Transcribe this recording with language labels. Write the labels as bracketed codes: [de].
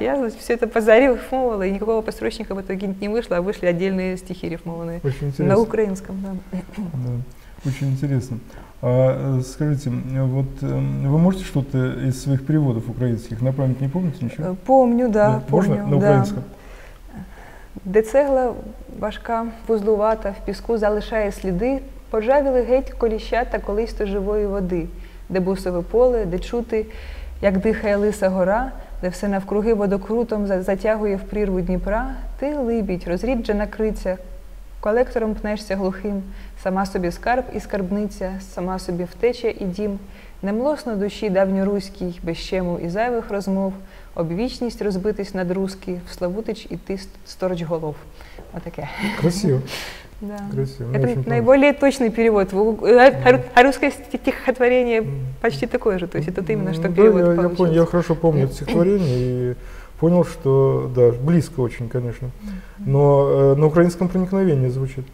[ru] Я все это зарифмовывала, и никакого подстрочника в итоге не вышло, а вышли отдельные стихи рифмованные. Очень интересно. На украинском, да. Очень интересно. А скажите, вот вы можете что-то из своих переводов украинских на память не помните ничего? Помню, да. Можно помню, на украинском? Да. [uk] «Де цегла важка, вузлувата, в піску залишає сліди, пожавіли геть коліща та колись то живої води, де бусове поле, де чути, як дихає лиса гора, де все навкруги водокрутом затягує в прірву Дніпра, ти, либідь, розріджена криця, Колектором пнешся глухим, сама собі скарб і скарбниця, сама собі втеча і дім. Немлосно душі давньоруській, без щемів і зайвих розмов, об вічність розбитись на друзки, в Славутич іти сторч голов. Отаке. [ru] Красиво. Да. Красиво. Это наиболее точный перевод. А русское стихотворение почти такое же. То есть это именно что перевод получился. Я понял, я хорошо помню стихотворение и понял, что да, близко очень, конечно. Но на украинском проникновении звучит.